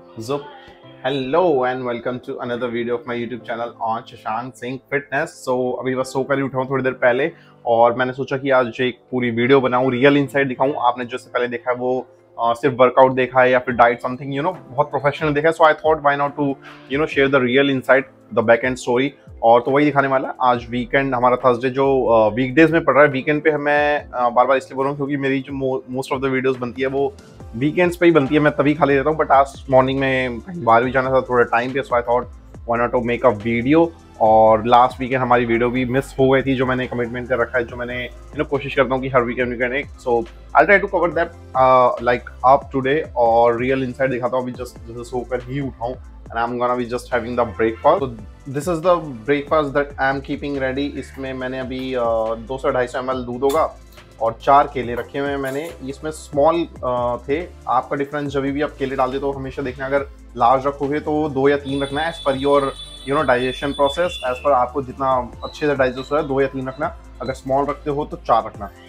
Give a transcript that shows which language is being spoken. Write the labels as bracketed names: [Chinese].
[English] So, hello and welcome to another video of my YouTube channel on Shashank Singh Fitness. [Hindi] So, अभी बस सोकर ही उठाऊँ थोड़ी देर पहले और मैंने सोचा कि आज एक पूरी वीडियो बनाऊँ, रियल इनसाइट दिखाऊँ. आपने जो से पहले देखा है वो सिर्फ वर्कआउट देखा है या फिर डाइट समथिंग, यू नो, बहुत प्रोफेशनल देखा है. [English] So I thought why not to you know share the real insight, the back end story. [Hindi] और तो वही दिखाने वाला आज वीकेंड हमारा थर्सडे जो वीकडेज में पड़ रहा है. वीकेंड पे मैं बार बार इसलिए बोल रहा हूँ क्योंकि मेरी जो [English] most of the videos [Hindi] बनती है वो वीकेंड्स पे ही बनती है, मैं तभी खाली रहता हूँ. बट आज मॉर्निंग में कहीं बाहर भी जाना था, थोड़ा टाइम भी, [English] So I thought why not to make a video. [Hindi] और लास्ट वीकेंड हमारी वीडियो भी मिस हो गई थी जो मैंने कमिटमेंट कर रखा है, जो मैंने यू नो कोशिश करता हूँ कि हर वीकेंड वीकेंड एक. [English] so I try to cover that like up today और real insight [Hindi] दिखाता हूँ. अभी जस्ट सोकर ही उठाऊँ [English] and I'm gonna be just having the breakfast. So this is the breakfast that I'm keeping ready. [Hindi] इसमें मैंने अभी 200-250 ml दूध होगा और चार केले रखे हुए हैं मैंने. इसमें small थे. आपका डिफरेंस जब भी आप केले डालते हो हमेशा देखना, अगर लार्ज रखोगे तो दो या तीन रखना है [English] as per your you know digestion process, [Hindi] as per आपको जितना अच्छे से डाइजेस्ट हो रहा है दो या तीन रखना, अगर स्मॉल रखते हो तो चार रखना.